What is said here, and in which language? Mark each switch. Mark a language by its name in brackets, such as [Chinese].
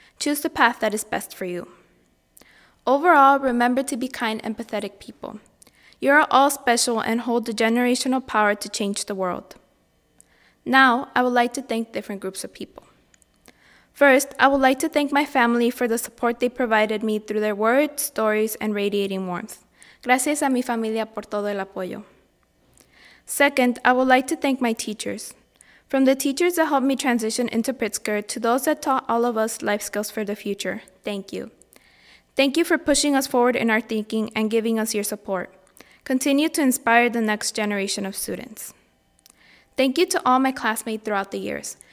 [English] Choose the path that is best for you. Overall, remember to be kind, empathetic people. You are all special and hold the generational power to change the world. Now, I would like to thank different groups of people. First, I would like to thank my family for the support they provided me through their words, stories, and radiating warmth. [Spanish] Gracias a mi familia por todo el apoyo. [English] Second, I would like to thank my teachers. From the teachers that helped me transition into Pritzker to those that taught all of us life skills for the future, thank you. Thank you for pushing us forward in our thinking and giving us your support. Continue to inspire the next generation of students. Thank you to all my classmates throughout the years.